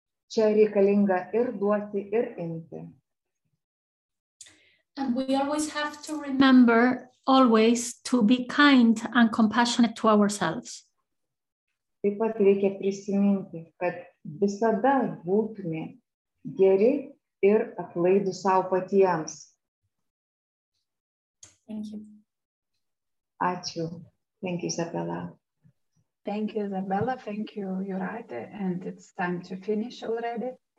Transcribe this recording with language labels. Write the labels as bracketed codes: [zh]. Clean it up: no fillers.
[lt] Čia reikalinga ir duoti, ir imti. [en] And we always have to remember always to be kind and compassionate to ourselves. [lt] Taip pat reikia prisiminti, kad visada būtume geri ir atlaidų savo patiems. [en] Thank you. [lt] Ačiū. [en] Thank you, Isabella. Thank Thank you, Isabella. Thank you, Jūrate. And it's time to finish already.